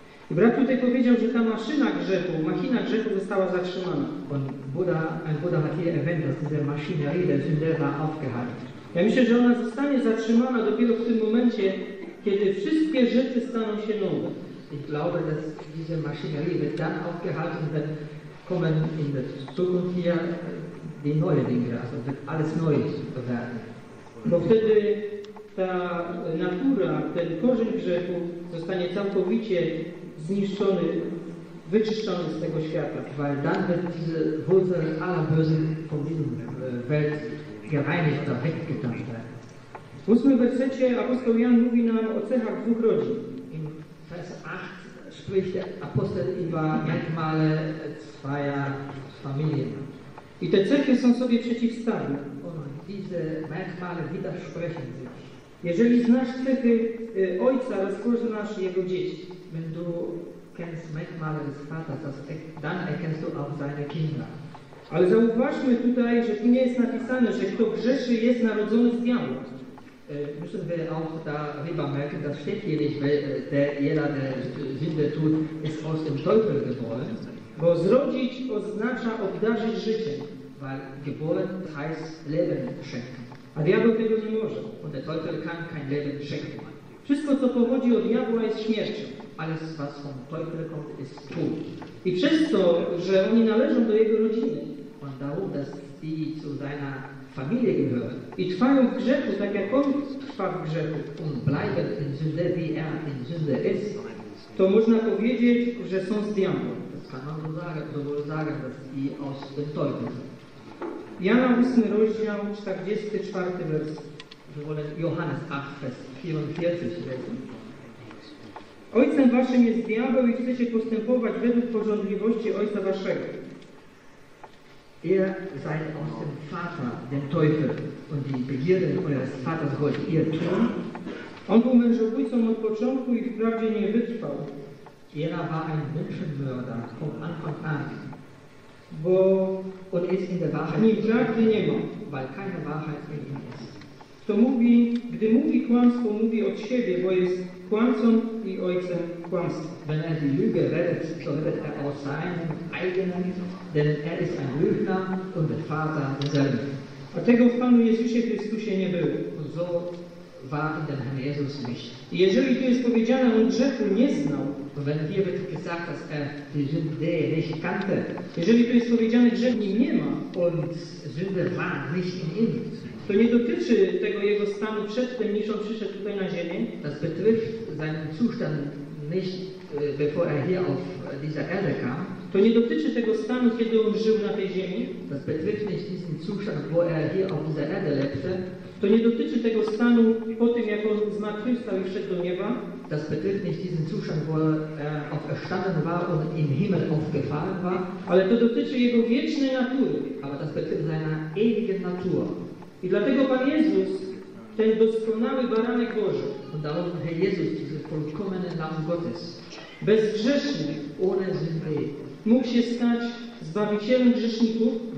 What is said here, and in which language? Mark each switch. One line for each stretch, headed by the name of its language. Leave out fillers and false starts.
Polish: I brat tutaj powiedział, że ta maszyna grzechu, machina grzechu została zatrzymana.
German: Buddha hat hier erwähnt, dass diese Maschinerie der Sünde war aufgehalten.
Polish: Ja myślę, że ona zostanie zatrzymana dopiero w tym momencie, kiedy wszystkie rzeczy staną się nowe.
German: Ich glaube, dass diese Maschinerie wird dann aufgehalten, wenn kommen in der Zukunft hier die neue Dinge, also wird alles neu werden.
Polish: Bo wtedy ta natura, ten korzeń grzechu zostanie całkowicie zniszczony, wyczyszczony z tego świata.
German: Weil dann wird diese Wurzel aller bösen von dieser Welt gereinigt oder weggetan werden.
Polish: W 8. wersecie apostoł Jan mówi nam o cechach dwóch rodzin.
German: In Vers 8 spricht der Apostel über Merkmale zweier Familien.
Polish: I te cechy są sobie przeciwstawne.
German: Diese Merkmale widersprechen sich.
Polish: Jeżeli znasz cechy ojca, rozpoznasz jego dzieci.
German: Wenn du kennst Merkmale des Vaters, dann erkennst du auch seine Kinder.
Polish: Ale zauważmy tutaj, że tu nie jest napisane, że kto grzeszy, jest narodzony z diabła.
German: Müssen wir auch darüber merken, das steht hier nicht, weil der jeder, der Sünde tut, ist aus dem Teufel geboren.
Polish: Bo zrodzić oznacza obdarzyć życiem.
German: Weil geboren heißt Leben schenken.
Polish: A diabeł tego nie może.
German: Und der Teufel kann kein Leben schenken.
Polish: Wszystko, co pochodzi od diabła, jest śmiercią.
German: Alles, was vom Teufel kommt, ist Tod.
Polish: I przez to, że oni należą do jego rodziny.
German: Und darum, dass die zu deiner Familie gehören.
Polish: I trwają w grzechu, tak jak on trwa w grzechu.
German: Und bleiben in Sünde, wie er in Sünde ist.
Polish: To można powiedzieć, że są z diabła. Jana 8, rozdział 44, wers.
German: Johannes 8, vers 44.
Polish: Ojcem waszym jest diabeł i chcecie postępować według pożądliwości ojca waszego.
German: Ihr seid aus dem Vater, dem Teufel, und die Begierden eures Vaters wollt ihr tun.
Polish: On był mężobójcą od początku i wprawdzie nie wytrwał.
German: Er war ein Menschenmörder vom Anfang an.
Polish: Bo
German: und ist in der Wahrheit.
Polish: Nie, prawdy nie ma.
German: Weil keine Wahrheit in ihm ist.
Polish: Kto mówi, gdy mówi kłamstwo, mówi od siebie, bo jest kłamcą i ojcem kłamstwa.
German: Wenn er die Lüge redet, so redet er aus seinem eigenen, denn er ist ein Lügner und der Vater derselben.
Polish: A tego w Panu Jezusie Chrystusie nie było.
German: Und so war in dem Herrn Jesus nicht.
Polish: I jeżeli tu jest powiedziane, on grzechu nie znał.
German: Wenn hier wird gesagt, dass er die Sünde nicht kannte.
Polish: Jeżeli tu jest powiedziane, że w nim nie ma.
German: Und Sünde war nicht in ihm.
Polish: To nie dotyczy tego jego stanu przedtem, niż on przyszedł tutaj na ziemię.
German: Das betrifft seinen Zustand nicht, bevor er hier auf dieser Erde kam.
Polish: To nie dotyczy tego stanu, kiedy on żył na tej ziemi.
German: Das betrifft nicht diesen Zustand, wo er hier auf dieser Erde lebte.
Polish: To nie dotyczy tego stanu po tym, jak on zmartwychwstał i wszedł do nieba.
German: Das betrifft nicht diesen Zustand, wo er auferstanden war und im Himmel aufgefahren war.
Polish: Ale to dotyczy jego wiecznej natury.
German: Aber das betrifft seiner ewigen Natur.
Polish: I dlatego Pan Jezus, ten doskonały Baranek Boży.
German: Und darum Herr Jesus, dieses vollkommene Lamm Gottes.
Polish: Bezgrzeszny,
German: ohne Sünde.
Polish: Mógł się stać zbawicielem grzeszników.